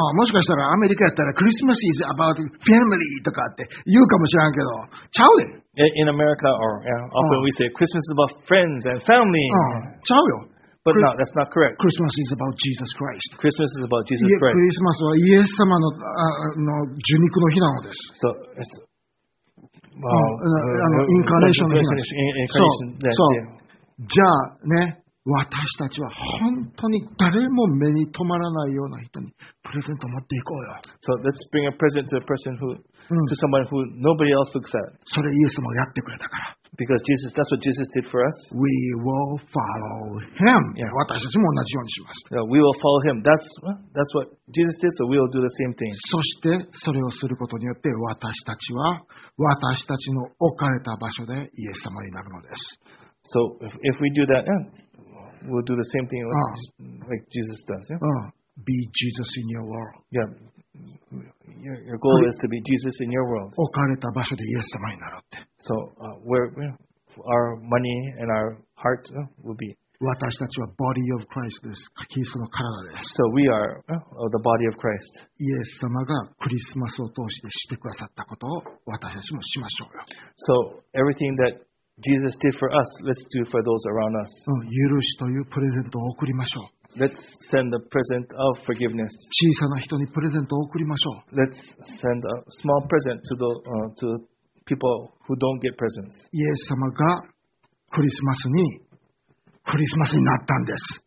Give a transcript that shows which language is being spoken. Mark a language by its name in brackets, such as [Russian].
[Japanese] もしかしたらアメリカやったら [English] Christmas is about family [Japanese] とかって言うかもしれんけど、ちゃうで。 [English] In America, often we say Christmas is about friends and family. [Japanese] ちゃうよ。 [English] But no, that's not correct. Christmas is about Jesus Christ. Christmas is about Jesus Christ. [Japanese] クリスマスはイエス様の、の受肉の日なのです。 [English] So, [Japanese] incarnation の日なのです。じゃあね、私たちは本当に誰も目に留まらないような人にプレゼントを持っていこうよ。 [English] So let's bring a present to a person who, to someone who nobody else looks at. [Japanese] それイエス様がやってくれたから。 [English] Because Jesus, that's what Jesus did for us. We will follow Him. Yeah. [Japanese] 私たちも同じようにします。 [English] Yeah, we will follow Him. That's what Jesus did, so we will do the same thing. [Japanese] そしてそれをすることによって私たちは私たちの置かれた場所でイエス様になるのです。 [English] So if we do that, yeah, we'll do the same thing like Jesus does. Yeah? Be Jesus in your world. Yeah. Your goal is to be Jesus in your world. [Japanese] 置かれた場所でイエス様になろうって。 [English] So, our money and our heart will be. [Japanese] 私たちは [English] body of Christ [Japanese] です。キリストの体です。 [English] So we are the body of Christ. [Japanese] イエス様がクリスマスを通してしてくださったことを私たちもしましょうよ。 [English] So everything that Jesus did for us, let's do for those around us. [Japanese] 許しというプレゼントを送りましょう。 [English] Let's send a present of forgiveness. [Japanese] 小さな人にプレゼントを贈りましょう。 [English] Let's send a small present to the to people who don't get presents. [Japanese] イエス様がクリスマスにクリスマスになったんです。